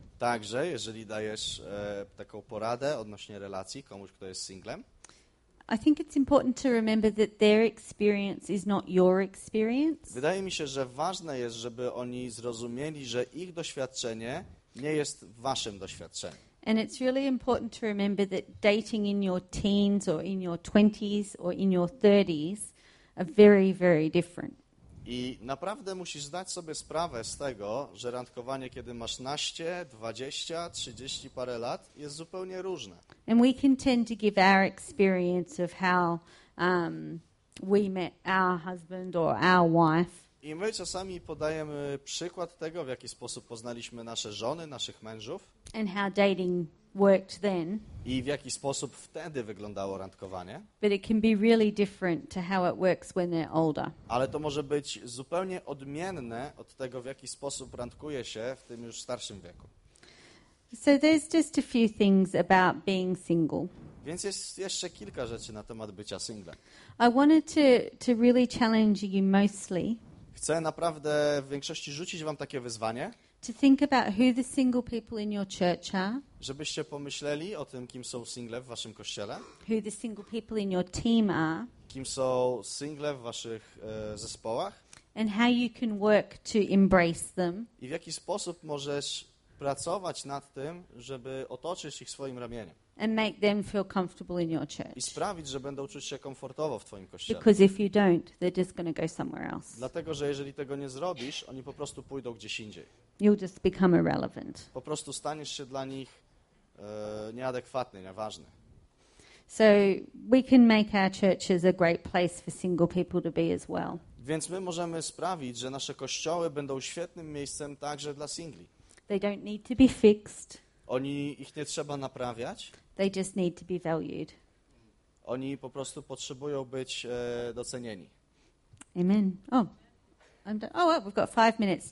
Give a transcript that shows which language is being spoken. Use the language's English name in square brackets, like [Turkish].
[Polish] Także, jeżeli dajesz taką poradę odnośnie relacji komuś, kto jest singlem. [English] I think it's important to remember that their experience is not your experience. [Polish] Wydaje mi się, że ważne jest, żeby oni zrozumieli, że ich doświadczenie nie jest waszym doświadczeniem. [English] And it's really important to remember that dating in your teens or in your 20s or in your 30s are very, very different. [Polish] I naprawdę musisz zdać sobie sprawę z tego, że randkowanie, kiedy masz naście, 20, 30 parę lat, jest zupełnie różne. [English] And we can tend to give our experience of how we met our husband or our wife. [Polish] I my czasami podajemy przykład tego, w jaki sposób poznaliśmy nasze żony, naszych mężów. [English] And how dating worked then. [Polish] I w jaki sposób wtedy wyglądało randkowanie. [English] But it can be really different to how it works when they're older. [Polish] Ale to może być zupełnie odmienne od tego, w jaki sposób randkuje się w tym już starszym wieku. [English] So there's just a few things about being single. [Polish] Więc jest jeszcze kilka rzeczy na temat bycia singlem. [English] I wanted to really challenge you mostly. [Polish] Chcę naprawdę w większości rzucić wam takie wyzwanie. [English] To think about who the single people in your church are. [Polish] Żebyście pomyśleli o tym, kim są single w waszym kościele. [English] Who the single people in your team are. [Polish] Kim są single w waszych zespołach. [English] And how you can work to embrace them. [Polish] I w jaki sposób możesz pracować nad tym, żeby otoczyć ich swoim ramieniem. [English] And make them feel comfortable in your church. [Polish] I sprawić, że będą czuć się komfortowo w twoim kościele. [English] Because if you don't, they're just going to go somewhere else. [Polish] Dlatego, że jeżeli tego nie zrobisz, oni po prostu pójdą gdzieś indziej. [English] You'll just become irrelevant. [Polish] Po prostu staniesz się dla nich nieadekwatny, nieważny. [English] So we can make our churches a great place for single people to be as well. [Polish] Więc my możemy sprawić, że nasze kościoły będą świetnym miejscem także dla singli. [English] They don't need to be fixed. [Polish] Oni ich nie trzeba naprawiać. [English] They just need to be valued. [Polish] Oni po prostu potrzebują być docenieni. [English] Amen. Oh, well, we've got 5 minutes.